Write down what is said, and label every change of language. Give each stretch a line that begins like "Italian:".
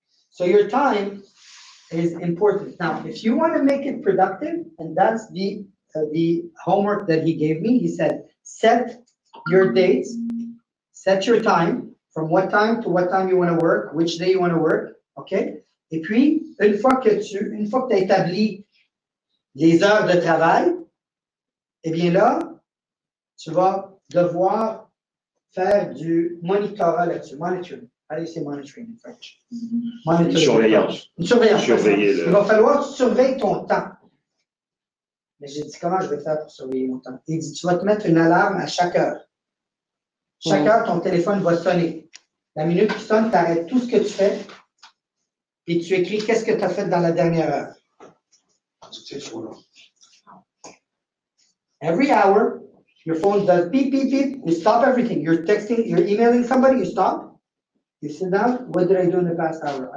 English: So your time is important. Now, if you want to make it productive, and that's the homework that he gave me, he said, set your dates. Set your time, from what time to what time you want to work, which day you want to work, okay?
French: Et puis, une fois que tu as établi les heures de travail, eh bien là, tu vas devoir faire du monitorat là-dessus.
English: Monitoring. How do you say monitoring in French?
French: Monitoring. Une surveillance. Il va falloir que tu surveilles ton temps. Mais j'ai dit, comment je vais faire pour surveiller mon temps? Il dit, tu vas te mettre une alarme à chaque heure. Chaque heure, ton téléphone va sonner. La minute qui sonne, tu arrêtes tout ce que tu fais et tu écris qu'est-ce que tu as fait dans la dernière heure.
English: Every hour, your phone does beep, beep, beep. You stop everything. You're texting, you're emailing somebody, you stop. You sit down. What did I do in the past hour?